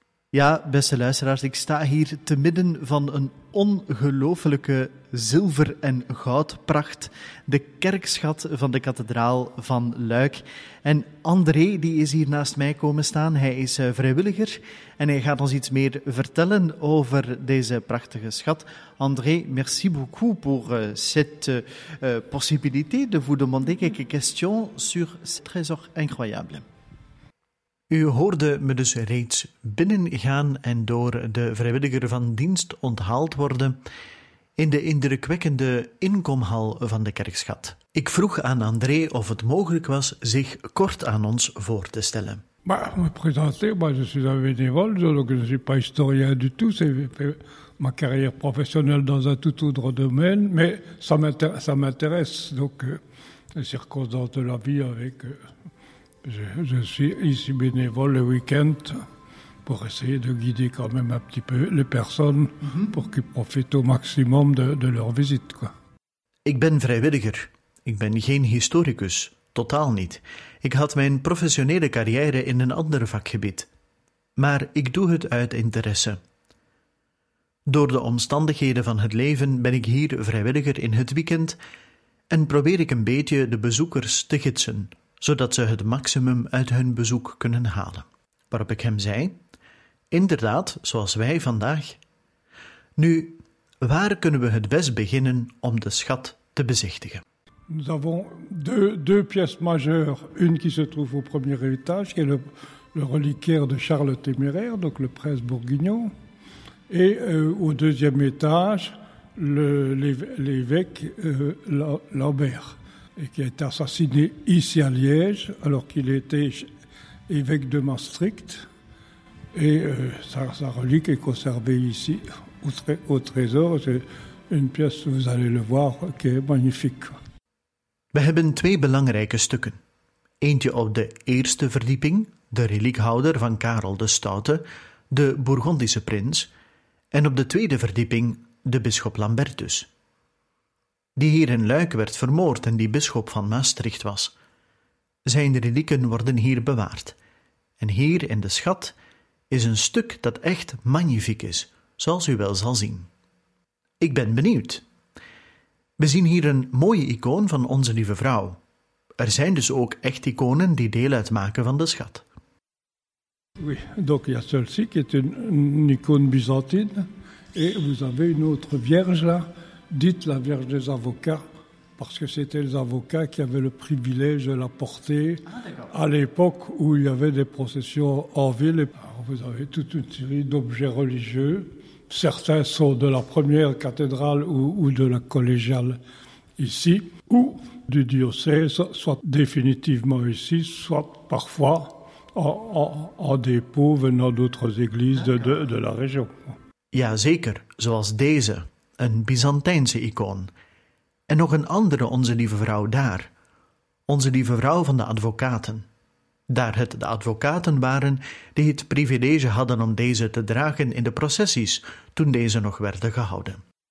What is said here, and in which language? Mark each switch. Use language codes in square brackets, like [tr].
[nl] Ja, beste luisteraars, ik sta hier te midden van een ongelooflijke zilver- en goudpracht, de kerkschat van de kathedraal van Luik. En André, die is hier naast mij komen staan, hij is vrijwilliger en hij gaat ons iets meer vertellen over deze prachtige schat. [fr] André, merci beaucoup pour cette possibilité de vous demander quelques questions sur ce trésor incroyable. [nl] U hoorde me dus reeds binnengaan en door de vrijwilliger van dienst onthaald worden in de indrukwekkende inkomhal van de kerkschat. Ik vroeg aan André of het mogelijk was zich kort aan ons voor te stellen. [fr] Je suis un bénévole, donc je ne suis pas historien du tout. C'est ma carrière professionnelle dans un tout autre domaine, mais ça m'intéresse. Donc les circonstances de la vie avec. Je suis ici bénévole le week-end pour essayer de guider quand même un petit peu les personnes pour qu'ils profitent au maximum de leur visite. Quoi. [nl] Ik ben vrijwilliger. Ik ben geen historicus. Totaal niet. Ik had mijn professionele carrière in een ander vakgebied. Maar ik doe het uit interesse. Door de omstandigheden van het leven ben ik hier vrijwilliger in het weekend en probeer ik een beetje de bezoekers te gidsen, zodat ze het maximum uit hun bezoek kunnen halen. Waarop ik hem zei, inderdaad, zoals wij vandaag. Nu, waar kunnen we het best beginnen om de schat te bezichtigen? [fr] Nous avons deux pièces majeures, une qui se trouve au premier étage, qui est le reliquaire de Charles Téméraire, donc le prince bourguignon, et au deuxième étage, l'évêque Lambert. Et qui a été assassiné ici à Liège, alors qu'il était évêque de Maastricht. Et sa relique est conservée ici, au trésor. C'est une pièce, vous allez le voir, qui est magnifique. [nl] We hebben twee belangrijke stukken. Eentje op de eerste verdieping, de reliekhouder van Karel de Stoute, de Bourgondische prins. En op de tweede verdieping, de bisschop Lambertus. Die hier in Luik werd vermoord en die bisschop van Maastricht was. Zijn relieken worden hier bewaard. En hier in de schat is een stuk dat echt magnifiek is, zoals u wel zal zien. Ik ben benieuwd. We zien hier een mooie icoon van Onze Lieve Vrouw. Er zijn dus ook echt iconen die deel uitmaken van de schat. [fr] Oui, donc il y a celle-ci qui est une icône byzantine. Et vous avez une autre vierge là. Dites la Vierge des avocats, parce que c'était les avocats qui avaient le privilège de la porter à l'époque où il y avait des processions en ville. Alors vous avez toute une série d'objets religieux, certains sont de la première cathédrale ou de la collégiale ici, ou du diocèse, soit définitivement ici, soit parfois en dépôt venant d'autres églises de la région. [nl] Ja, zeker, zoals deze, een Byzantijnse icoon. En nog een andere Onze Lieve Vrouw daar, Onze Lieve Vrouw van de Advocaten. Daar het de advocaten waren die het privilege hadden om deze te dragen in de processies toen deze nog werden gehouden.